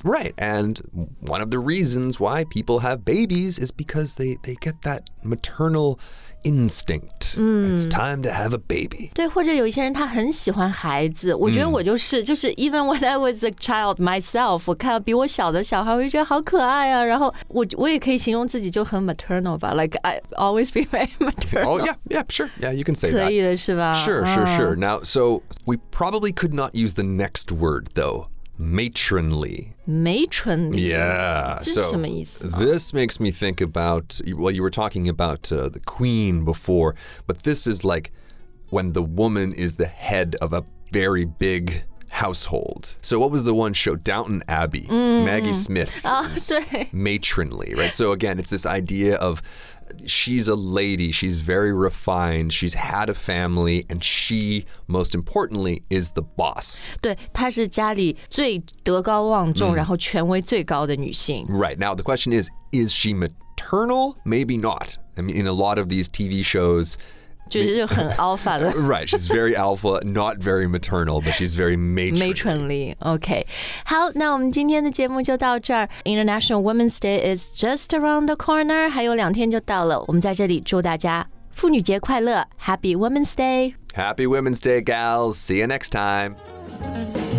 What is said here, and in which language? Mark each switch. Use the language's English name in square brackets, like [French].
[English] Right. And one of the reasons why people have babies is because they get that maternal instinct. It's time to have a baby. [Chinese] 对或者有一些人他很喜欢孩子。我觉得我就是就是 [English] even when I was a child myself, [Chinese] 我看到比我小的小孩我就觉得好可爱啊。然后我也可以形容自己就很 maternal 吧。 [English] Like, I always be very maternal. Oh, yeah, yeah, sure. Yeah, you can say that. [Chinese] 可以的是吧 [English] Sure, sure, sure. Now, so we probably could not use the next word, though. matronly. Matronly? Yeah. [Chinese] So, 什么意思? [English] This makes me think about, well, you were talking about the queen before, but this is like when the woman is the head of a very big household. So what was the one show? Downton Abbey. Maggie Smith is matronly, right? So again, it's this idea of she's a lady. She's very refined. She's had a family. And she, most importantly, is the boss. [Chinese] 对, 她是家里最德高望重, 然后权威最高的女性。 [English] Right. Now, the question is she maternal? Maybe not. I mean, in a lot of these TV shows, [Chinese] 就是就很 alpha 的 [English] Right, she's very alpha, not very maternal, but she's very matronly. Matronly, okay. [Chinese] 好, 那我们今天的节目就到这儿。 [English] International Women's Day is just around the corner, [Chinese] 还有两天就到了。我们在这里祝大家妇女节快乐。 [English] Happy Women's Day! Happy Women's Day, gals! See you next time!